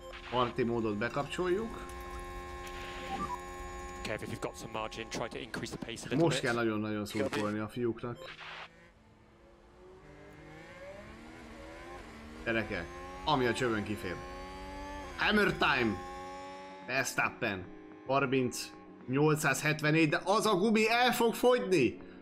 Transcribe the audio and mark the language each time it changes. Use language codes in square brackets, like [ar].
[hu] Party módot bekapcsoljuk. [en] Kev, if you've got some margin, try to increase the pace a little bit. [hu] Most kell nagyon-nagyon szurkolni a fiúknak. Gyereke, ami a csövön kifér. [en] Hammer time! [hu] Verstappen. 30.874, de az a gumi el fog fogyni!